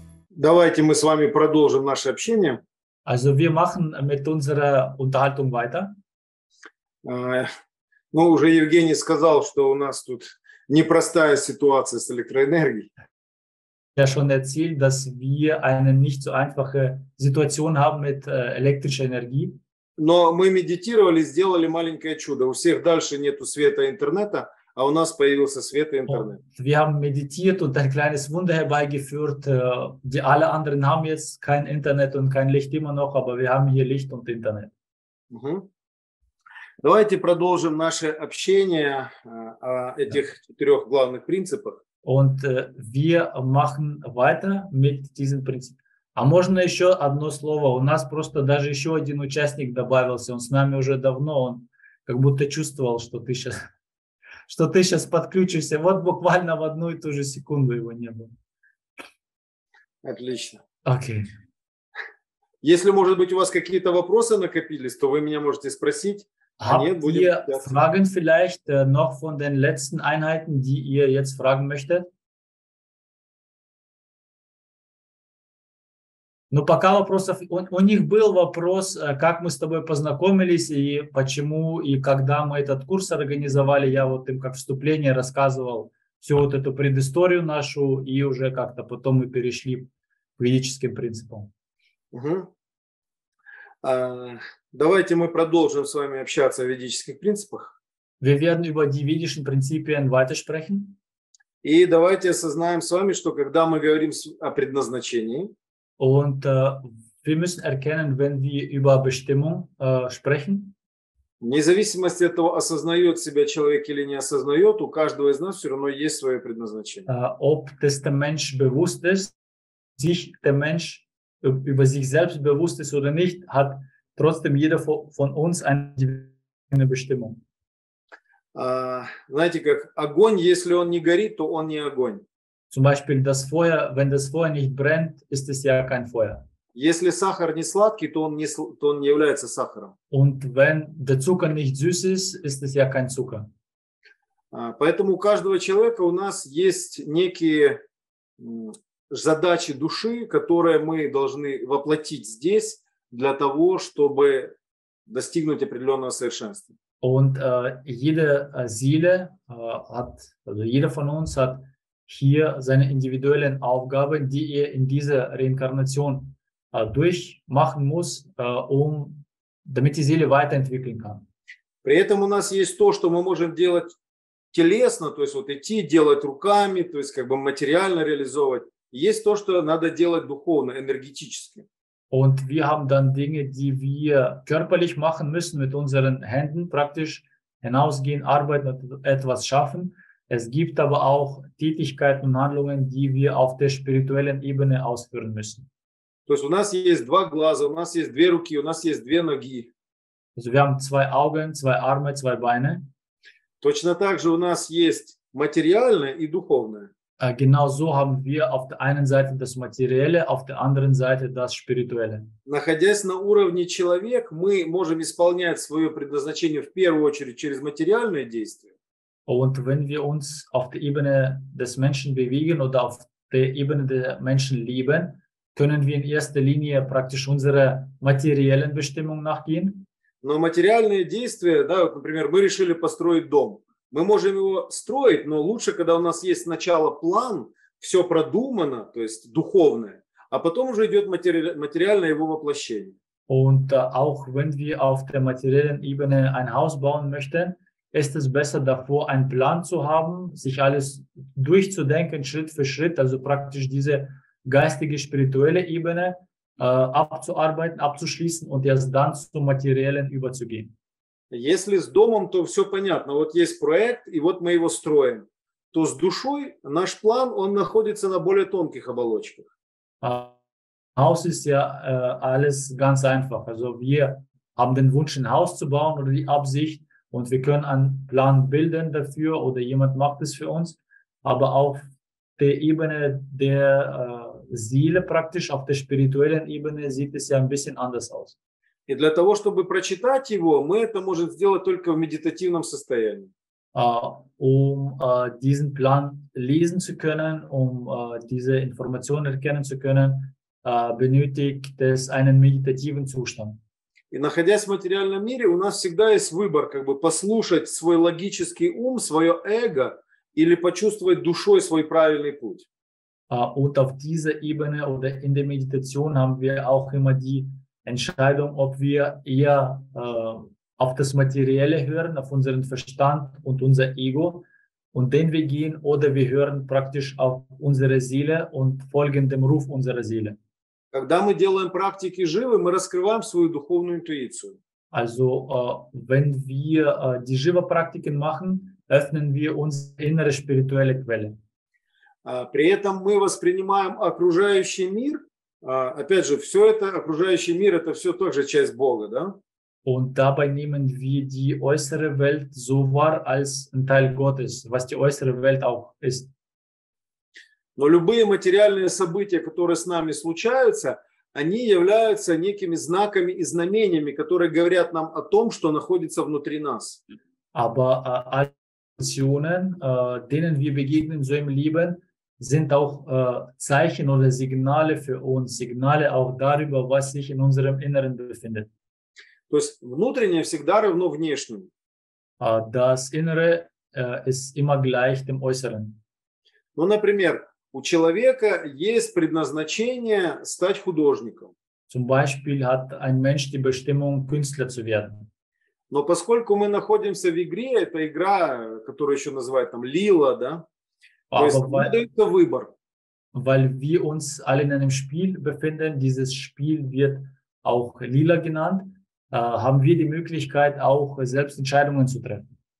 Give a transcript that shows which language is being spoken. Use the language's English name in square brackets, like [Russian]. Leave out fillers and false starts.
[Russian] Давайте мы с вами продолжим наше общение. [German] Also wir machen mit unserer Unterhaltung weiter. [Russian] Ну, уже Евгений сказал, что у нас тут непростая ситуация с электроэнергией. Я [German] schon erzählt, dass wir eine nicht so einfache Situation haben mit elektrischer Energie. [Russian] Но мы медитировали, сделали маленькое чудо. У всех дальше нету света интернета, а у нас появился свет и интернет. [German] Wir haben meditiert und ein kleines Wunder herbeigeführt. Die alle anderen haben jetzt kein Internet und kein Licht immer noch, aber wir haben hier Licht und Internet. [Russian] Давайте продолжим наше общение о этих четырех главных принципах. [German] Und wir machen weiter mit diesen Prinzipien. [Russian] А можно еще одно слово? У нас просто даже еще один участник добавился. Он с нами уже давно. Он как будто чувствовал, что ты сейчас подключишься. Вот буквально в одну и ту же секунду его не было. Отлично. Окей. Okay. Если, может быть, у вас какие-то вопросы накопились, то вы меня можете спросить. [German] Ihr Fragen vielleicht noch von den letzten Einheiten, die ihr jetzt fragen möchtet? [Russian] Ну, пока вопросов... У них был вопрос, как мы с тобой познакомились и почему, и когда мы этот курс организовали. Я вот им как вступление рассказывал всю вот эту предысторию нашу, и уже как-то потом мы перешли к ведическим принципам. Давайте мы продолжим с вами общаться о ведических принципах. [German] Wir werden über die ведischen Prinzipien weitersprechen. [Russian] И давайте осознаем с вами, что когда мы говорим о предназначении, [German] und wir müssen erkennen, wenn wir über Bestimmung sprechen, [Russian] вне зависимости от того, осознает себя человек или не осознает, у каждого из нас все равно есть свое предназначение. [German] Ob das der Mensch bewusst ist, sich der Mensch über sich selbst bewusst ist oder nicht, hat trotzdem jeder von uns eine Bestimmung. [Russian] Знаете, как огонь, если он не горит, то он не огонь. [German] Zum Beispiel das Feuer, wenn das Feuer nicht brennt, ist es ja kein Feuer. [Russian] Если сахар не сладкий, то он не является сахаром. [German] Und wenn der Zucker nicht süß ist, ist es ja kein Zucker. [Russian] Поэтому у каждого человека у нас есть некие задачи души, которые мы должны воплотить здесь для того, чтобы достигнуть определенного совершенства. [German] Und jede Seele hat, also jeder von uns hat hier seine individuellen Aufgaben, die er in dieser Reinkarnation durchmachen muss, damit die Seele weiterentwickeln kann. [Russian] При этом у нас есть то, что мы можем делать телесно, то есть вот идти, делать руками, то есть как бы материально реализовывать. Есть то, что надо делать духовно, энергетически. [German] Und wir haben dann Dinge, die wir körperlich machen müssen, mit unseren Händen praktisch hinausgehen, arbeiten, etwas schaffen. Es gibt aber auch Tätigkeiten und Handlungen, die wir auf der spirituellen Ebene ausführen müssen. [Russian] То есть у нас есть два глаза, у нас есть две руки, у нас есть две ноги. [German] Also wir haben zwei Augen, zwei Arme, zwei Beine. [Russian] Точно так же у нас есть материальное и духовное. [German] Genau so haben wir auf der einen Seite das Materielle, auf der anderen Seite das Spirituelle. [Russian] Находясь на уровне человек, мы можем исполнять свое предназначение в первую очередь через материальные действия. [German] Und wenn wir uns auf der Ebene des Menschen bewegen oder auf der Ebene der Menschen leben, können wir in erster Linie praktisch unserer materiellen Bestimmung nachgehen. [Russian] Но материальные действия, да, вот, например, мы решили построить дом. Мы можем его строить, но лучше, когда у нас есть сначала план, все продумано, то есть духовное, а потом уже идет материальное его воплощение. [German] Und auch wenn wir auf der materiellen Ebene ein Haus bauen möchten, ist es besser davor, einen Plan zu haben, sich alles durchzudenken, Schritt für Schritt, also praktisch diese geistige, spirituelle Ebene abzuarbeiten, abzuschließen und erst dann zum Materiellen überzugehen. [Russian] Если с домом, то все понятно. Вот есть проект, и вот мы его строим. То с душой наш план, он находится на более тонких оболочках. [German] Haus ist ja alles ganz einfach. Also wir haben den Wunsch, ein Haus zu bauen oder die Absicht, und wir können einen Plan bilden dafür oder jemand macht es für uns. Aber auf der Ebene der Seele praktisch, auf der spirituellen Ebene, sieht es ja ein bisschen anders aus. [Russian] И для того, чтобы прочитать его, мы это можем сделать только в медитативном состоянии. [German] um diesen Plan lesen zu können, um diese Informationen erkennen zu können, benötigt es einen meditativen Zustand. [Russian] И находясь в материальном мире, у нас всегда есть выбор, как бы послушать свой логический ум, свое эго или почувствовать душой свой правильный путь. [German] Und auf dieser Ebene oder in der Meditation haben wir auch immer die Entscheidung, ob wir eher auf das Materielle hören, auf unseren Verstand und unser Ego und den wir gehen, oder wir hören praktisch auf unsere Seele und folgen dem Ruf unserer Seele. [Russian] Когда мы делаем практики живы, мы раскрываем свою духовную интуицию. [German] Also, wenn wir die Jiva-Praktiken machen, öffnen wir unsere innere spirituelle Quelle. [Russian] При этом мы воспринимаем окружающий мир, опять же, все это, окружающий мир, это все тоже часть Бога, да? [German] Und dabei nehmen wir die äußere Welt so wahr als ein Teil Gottes, was die äußere Welt auch ist. [Russian] Но любые материальные события, которые с нами случаются, они являются некими знаками и знамениями, которые говорят нам о том, что находится внутри нас. [German] Aber alle Situationen, denen wir begegnen so im Leben, sind auch Zeichen oder Signale für uns, Signale auch darüber, was sich in unserem Inneren befindet. [Russian] То есть внутреннее всегда равно внешнему. [German] Das Innere ist immer gleich dem Äußeren. [Russian] Ну, например, у человека есть предназначение стать художником. [German] Zum Beispiel hat ein Mensch die Bestimmung, Künstler zu werden. [Russian] Но поскольку мы находимся в игре, это игра, которую еще называют там Лила, да? То есть, [German] weil, [Russian] это выбор. [German] Weil wir uns alle in einem Spiel befinden, dieses Spiel wird auch Lila genannt, haben wir die Möglichkeit, auch selbst Entscheidungen zu treffen.